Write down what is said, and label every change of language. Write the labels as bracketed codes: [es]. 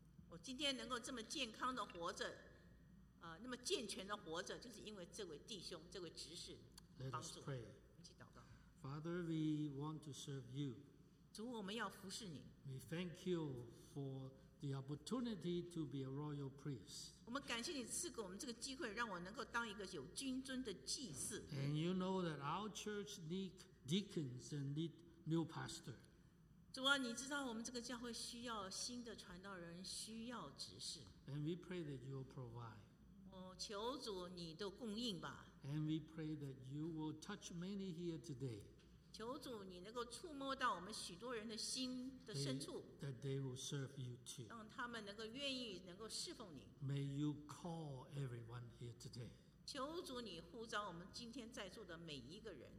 [zh] 我今天能够这么健康的活着，那么健全的活着，就是因为这位弟兄，这位执事帮助。 [en] Let us pray. [zh] 一起祷告。 [en] Father, we want to serve you. [zh] 主，我们要服侍你。 [en] We thank you for the opportunity to be a royal priest. [zh] 我们感谢你赐给我们这个机会，让我能够当一个有君尊的祭司。 [en] And you know that our church needs deacons and need new pastor. [zh] 主啊，你知道我们这个教会需要新的传道人，需要执事。 [en] And we pray that you will provide. [zh] 我求主你的供应吧。 [en] And we pray that you will touch many here today. [zh] 求主你能够触摸到我们许多人的心的深处。 [en] That they will serve you too. [zh] 让他们能够愿意能够侍奉你。 [en] May you call everyone here today. [zh] 求主你呼召我们今天在座的每一个人。